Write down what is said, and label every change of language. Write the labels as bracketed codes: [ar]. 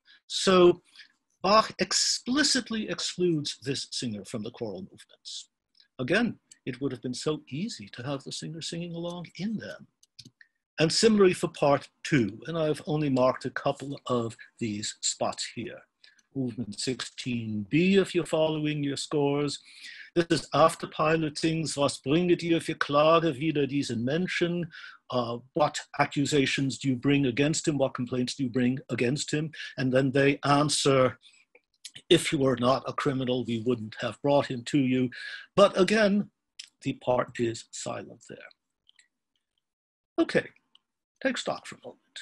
[en] So Bach explicitly excludes this singer from the choral movements. Again, it would have been so easy to have the singer singing along in them. And similarly for part two, and I've only marked a couple of these spots here. Movement 16b, if you're following your scores. This is after Pilate sings, [de] Was bringet ihr für Klage wieder diesen Menschen? [en] What accusations do you bring against him? What complaints do you bring against him? And then they answer, if you were not a criminal, we wouldn't have brought him to you. But again, the part is silent there. Okay, take stock for a moment.